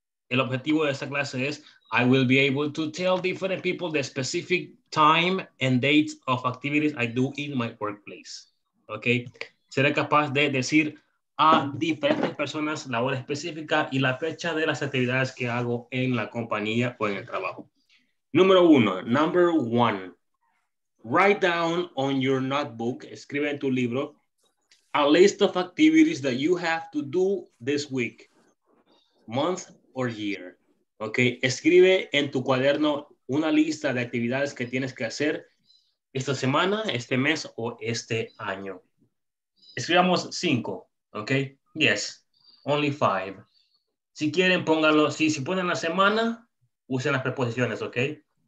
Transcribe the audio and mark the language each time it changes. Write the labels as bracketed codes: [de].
[es] El objetivo de esta clase es [en] I will be able to tell different people the specific time and dates of activities I do in my workplace. [es] Okay, seré capaz de decir a diferentes personas la hora específica y la fecha de las actividades que hago en la compañía o en el trabajo. [en] Número uno, number one, write down on your notebook, [es] escribe en tu libro, [en] a list of activities that you have to do this week, month or year. [es] Okay, escribe en tu cuaderno una lista de actividades que tienes que hacer esta semana, este mes o este año. Escribamos cinco. [en] Okay, yes, only five. [es] Si quieren, pónganlo. Si ponen la semana, usen las preposiciones, okay?